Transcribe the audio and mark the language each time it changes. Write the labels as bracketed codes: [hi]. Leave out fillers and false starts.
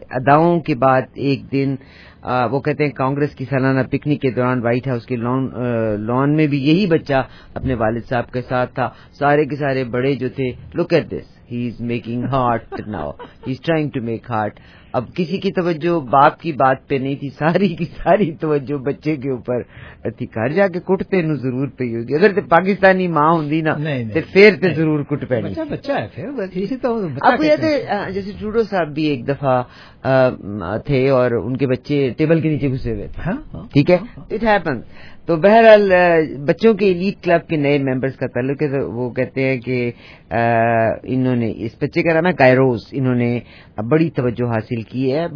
[ur] اداؤں کے بعد ایک دن وہ کہتے ہیں کانگریس کی سالانہ پکنک کے دوران وائٹ ہاؤس کے لان میں بھی یہی بچہ اپنے والد صاحب کے ساتھ تھا, سارے کے سارے بڑے جو تھے, [en] Look at this, he is making heart now, he is trying to make heart. [ur] اب کسی کی توجہ باپ کی بات پہ نہیں تھی, ساری کی ساری توجہ بچے کے اوپر تھی. [pa] گھر جا کے کٹتے نو ضرور پی ہوگی, اگر تے پاکستانی ماں ہوندی نا تے پھر تے ضرور کٹ پینی. [ur] بچہ ہے, جیسے ٹروڈو صاحب بھی ایک دفعہ تھے اور ان کے بچے ٹیبل کے نیچے گھسے ہوئے تھے, ٹھیک ہے, [en] It happens. [ur] تو بہرحال بچوں کے ایلیٹ کلب کے نئے ممبرز کا تعلق ہے, وہ کہتے ہیں کہ انہوں نے اس بچے کا نام ہے کائروس, انہوں نے بڑی توجہ حاصل کی ہے.